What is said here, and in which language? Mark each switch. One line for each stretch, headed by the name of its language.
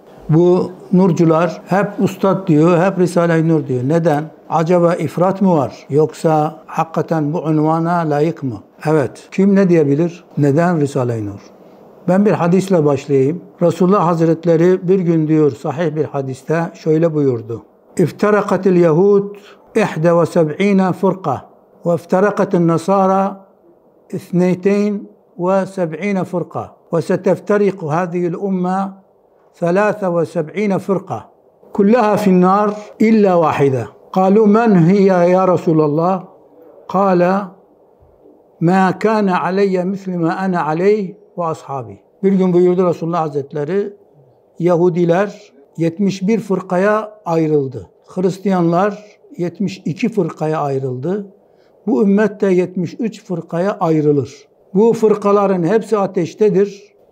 Turkish: Bu nurcular hep ustad diyor, hep Risale-i Nur diyor. Neden? Acaba ifrat mı var? Yoksa hakikaten bu unvana layık mı? Evet. Kim ne diyebilir? Neden Risale-i Nur? Ben bir hadisle başlayayım. Resulullah Hazretleri bir gün diyor, sahih bir hadiste şöyle buyurdu.
Arabic: İftarakatil Yahud 71 fırka ve iftarakatil Nasara 72 fırka ve seteftariku hazihil umma 73 فرقة كلها في النار إلا واحدة قالوا من هي يا رسول الله قال ما كان علي مثل ما أنا عليه وأصحابي.
Turkish: Bir gün buyurdu Resulullah Hazretleri, Yahudiler 71 fırkaya ayrıldı. Hristiyanlar 72 fırkaya ayrıldı. Bu ümmet de 73 fırkaya ayrılır. Bu fırkaların hepsi ateştedir.